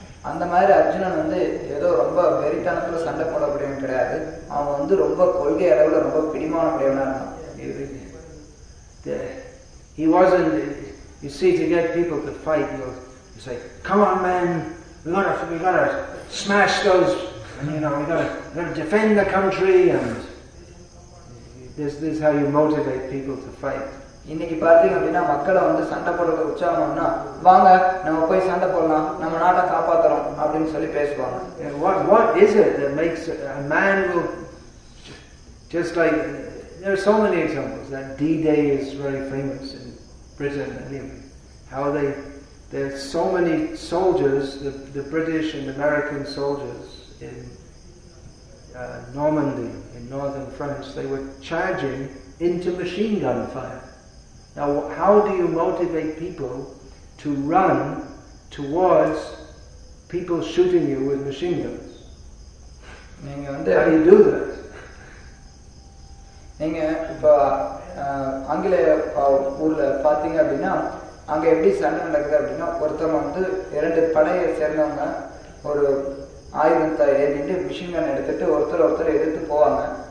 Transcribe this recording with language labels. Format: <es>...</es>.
<ta>அந்த மாதிரி அர்ஜுனன் வந்து ஏதோ ரொம்ப வெறித்தனத்துல சண்டை போடக்கூடியவன் கிடையாது, அவன் வந்து ரொம்ப கொள்கை அளவுல ரொம்ப பிடிமான உடையவனா இருந்தான்.</ta> <en>He wasn't, you see, to get people to fight, you say, come on man, we gotta smash those, and you know, we gotta defend the country, and this is how you motivate people to fight.</en> <ta>இன்னைக்கு பார்த்தீங்க அப்படின்னா மக்களை வந்து சண்டை போடுறது உற்சாகம்னா வாங்க நம்ம போய் சண்டை போடலாம் நம்ம நாட்டை காப்பாத்துறோம் அப்படின்னு சொல்லி பேசுவாங்க.</ta> <en>What is it that makes a man will just like, there are so many examples that D-Day is very famous in Britain, how there are so many soldiers, the British and American soldiers in Normandy, in northern France, they were charging into machine gun fire. Now how do you motivate people to run towards people shooting you with machine guns? How do you do that?</en> <ta>நீங்க இப்ப ஆங்கிலேய ஊர்ல பாத்தீங்க அப்படின்னா அங்க எப்படி சண்டை நடக்குது அப்படின்னா ஒருத்தவங்க வந்து 2 படையை சேர்ந்தவங்க ஒரு ஆயுதத்தை ஏறிட்டு மிஷின் கன் எடுத்துட்டு ஒருத்தர் எதிர்த்து போவாங்க.</ta>